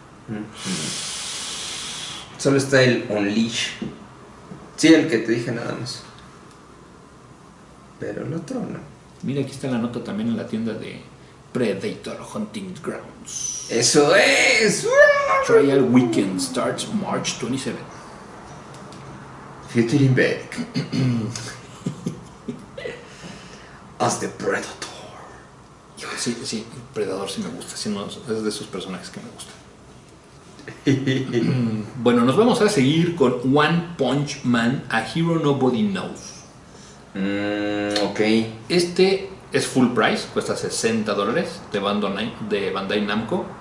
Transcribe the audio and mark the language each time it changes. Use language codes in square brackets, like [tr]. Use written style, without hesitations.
[es] Mm-hmm. Solo está el Unleash. Sí, el que te dije nada más. Pero el otro no. Mira, aquí está la nota también en la tienda de Predator Hunting Grounds. ¡Eso es! [en] Trial Weekend starts March 27th. Getting back as the Predator. [es] Sí, sí, Predator sí me gusta, sí, es de esos personajes que me gusta. Bueno, nos vamos a seguir con One Punch Man, A Hero Nobody Knows. Ok. Este es full price, cuesta $60 de Bandai Namco.